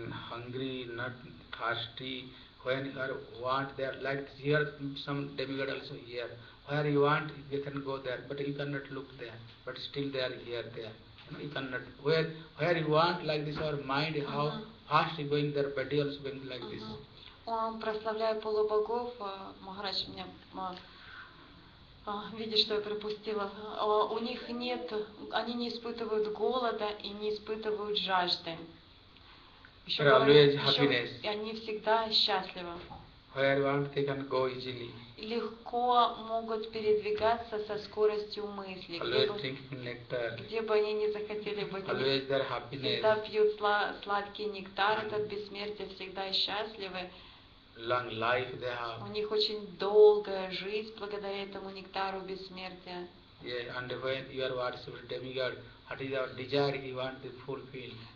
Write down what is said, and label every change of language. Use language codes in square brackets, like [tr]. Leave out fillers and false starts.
[en] Hungry, not thirsty. When you are want, they are like here. Some demigods also here. where you want, you can go there, but you cannot look there, but still they are here, there. You cannot, where you want, like this, our mind, how fast you going there, body also going like this. [ru] Он прославляет полубогов, Махарадж мне видит, что я пропустила. У них нет, они не испытывают голода и не испытывают жажды. Еще, они всегда счастливы. [en] Where you want, they can go easily. [ru] Легко могут передвигаться со скоростью мысли, где бы они ни захотели быть. Всегда пьют сладкий нектар, этот бессмертие, всегда счастливы. [en] Long life they have. [ru] У них очень долгая жизнь благодаря этому нектару бессмертия. [en] Yeah, and when you are worshiping a demigod, that is our desire he wants to fulfill.